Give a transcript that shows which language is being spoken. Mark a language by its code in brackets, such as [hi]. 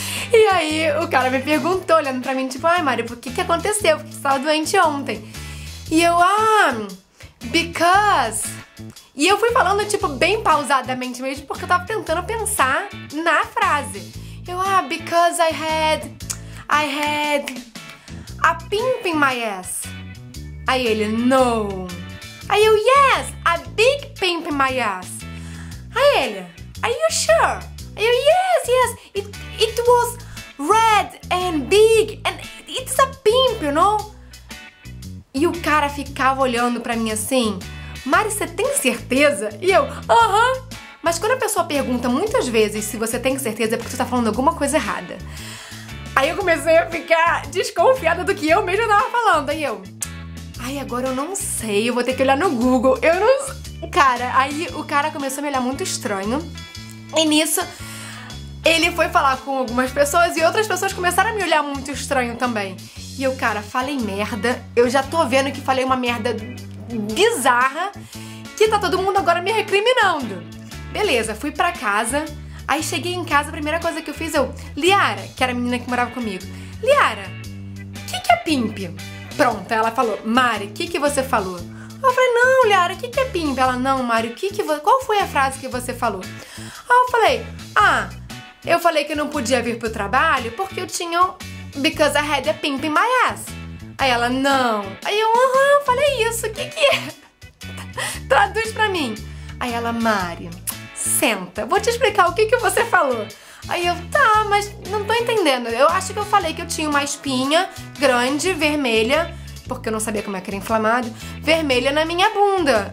[pt] E aí o cara me perguntou, olhando pra mim, tipo, ai, Mari, por que que aconteceu? Porque você tava doente ontem. E eu, [en] because... [pt] E eu fui falando, tipo, bem pausadamente mesmo, porque eu tava tentando pensar na frase. Eu, [en] because I had a pimp in my ass. [pt] Aí ele, [en] no. [pt] Aí eu, [en] yes, a big pimp in my ass. [pt] Aí ele, [en] are you sure? [pt] Aí eu, [en] yes, yes, it was red and big and it's a pimp, you know? [pt] E o cara ficava olhando pra mim assim, Mari, você tem certeza? E eu, aham. Mas quando a pessoa pergunta muitas vezes se você tem certeza é porque você tá falando alguma coisa errada. Aí eu comecei a ficar desconfiada do que eu mesma tava falando. Aí eu... Ai, agora eu não sei, eu vou ter que olhar no Google, eu não sei. Cara, aí o cara começou a me olhar muito estranho. E nisso, ele foi falar com algumas pessoas e outras pessoas começaram a me olhar muito estranho também. E eu, cara, falei merda, eu já tô vendo que falei uma merda bizarra, que tá todo mundo agora me recriminando. Beleza, fui pra casa, aí cheguei em casa, a primeira coisa que eu fiz, eu... Liara, que era a menina que morava comigo. Liara, o que, que é pimp? Pronto, ela falou, Mari, o que que você falou? Eu falei, não, Liara, o que que é pimp? Ela, não, Mari, o que que você... Qual foi a frase que você falou? Aí eu falei, eu falei que não podia vir pro trabalho porque eu tinha... [en] Because I had a pimp in my ass. [pt] Aí ela, não. Aí eu, eu falei isso, o que que é? Traduz pra mim. Aí ela, Mari, senta, vou te explicar o que que você falou. Aí eu, tá, mas não tô entendendo. Eu acho que eu falei que eu tinha uma espinha grande, vermelha, porque eu não sabia como é que era inflamado, vermelha na minha bunda.